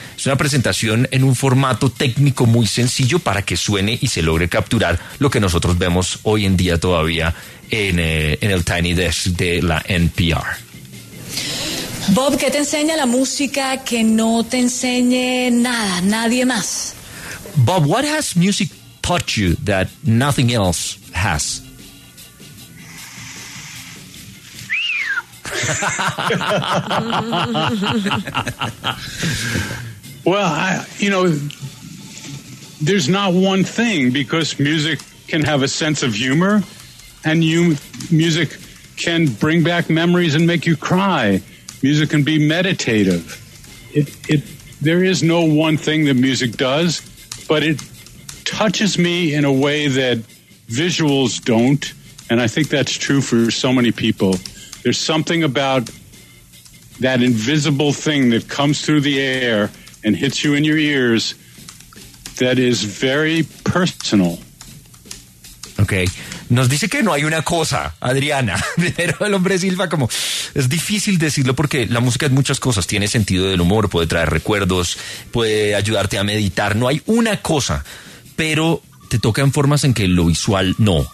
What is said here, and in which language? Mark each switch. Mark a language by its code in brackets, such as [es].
[es] Es una presentación en un formato técnico muy sencillo para que suene y se logre capturar lo que nosotros vemos hoy en día todavía en el Tiny Desk de la NPR. Bob, ¿qué te enseña la música que no te enseñe nada, nadie más? [en] Bob, what has music taught you that nothing else has? Well, there's not one thing, because music can have a sense of humor, and music can bring back memories and make you cry. Music can be meditative. There is no one thing that music does, but it touches me in a way that visuals don't, and I think that's true for so many people. There's something about that invisible thing that comes through the air and hits you in your ears that is very personal. Okay. [es] Nos dice que no hay una cosa, Adriana, pero el hombre Silva, como es difícil decirlo, porque la música es muchas cosas, tiene sentido del humor, puede traer recuerdos, puede ayudarte a meditar, no hay una cosa, pero te toca en formas en que lo visual no.